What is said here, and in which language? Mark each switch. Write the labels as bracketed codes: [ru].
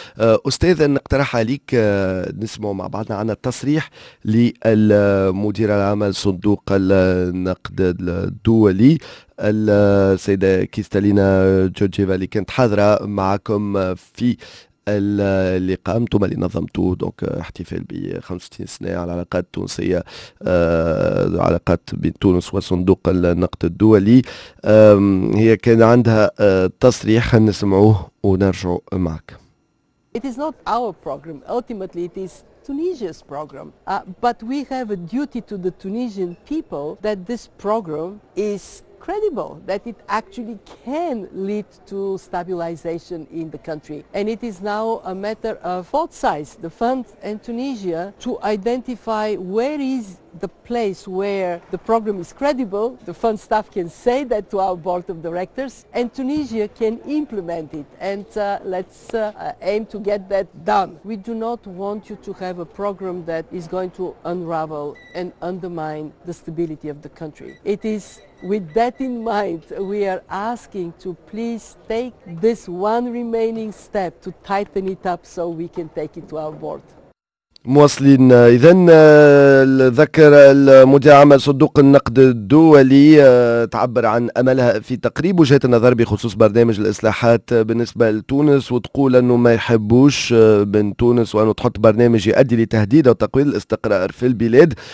[ar] أستاذ نقترح عليك نسمع مع بعضنا عن التصريح للمدير العام لصندوق النقد الدولي السيدة كيستالينا جورجيفا اللي كانت حاضرة معكم في اللي قامتم اللي نظمتوه دونك احتفال ب 65 سنة على العلاقات التونسية، علاقات بين تونس وصندوق النقد الدولي. هي كان عندها تصريح، نسمعوه ونرجع معك. [en] It is not our program. Ultimately it is Tunisia's program, but we have a duty to the Tunisian people that this program is credible, that it actually can lead to stabilization in the country. And it is now a matter of both sides, the fund and Tunisia, to identify where is the place where the program is credible, the fund staff can say that to our board of directors, and Tunisia can implement it. And let's aim to get that done. We do not want you to have a program that is going to unravel and undermine the stability of the country. It is with that in mind, we are asking to please take this one remaining step to tighten it up so we can take it to our board. [ar] مواصلين. إذا ذكر المدير العام لصندوق النقد الدولي تعبر عن أملها في تقريب وجهة النظر بخصوص برنامج الإصلاحات بالنسبة لتونس، وتقول أنه ما يحبوش من تونس وأنه تحط برنامج يؤدي لتهديد وتقويض الاستقرار في البلاد.